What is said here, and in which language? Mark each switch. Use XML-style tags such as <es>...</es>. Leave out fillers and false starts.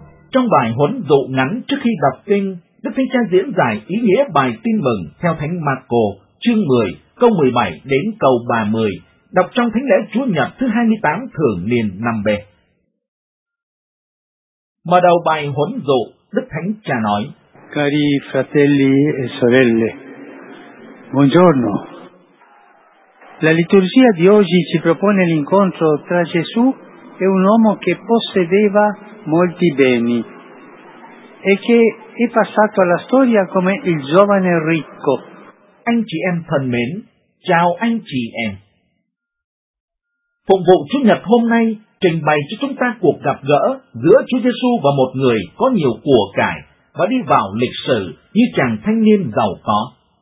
<vi>Trong bài huấn dụ ngắn trước khi đọc kinh, Đức Thánh Cha diễn giải ý nghĩa bài tin mừng theo Thánh Marco chương 10 câu 17 đến câu 30, đọc trong thánh lễ Chúa Nhật thứ 28 thường niên năm B. Mở đầu bài huấn dụ, Đức Thánh Cha nói:</vi> <it>Cari fratelli e sorelle, buongiorno. La liturgia di oggi ci propone l'incontro tra Gesù e un uomo che possedeva molti beni e che è passato alla storia come il giovane ricco.</it> <vi>Anh chị em thân mến, chào anh chị em. Phục vụ Chúa Nhật hôm nay trình bày cho chúng ta cuộc gặp gỡ giữa Chúa Giêsu và một người có nhiều của cải và đi vào lịch sử như chàng thanh niên giàu có.</vi>